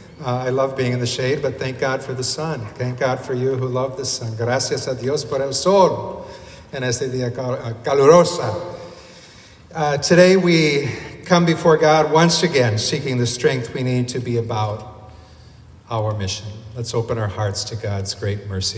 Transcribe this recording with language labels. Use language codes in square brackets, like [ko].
[en] I love being in the shade, but thank God for the sun. Thank God for you who love the sun. [es] Gracias a Dios por el sol en este día caluroso. [en] Today we come before God once again, seeking the strength we need to be about our mission. Let's open our hearts to God's great mercy.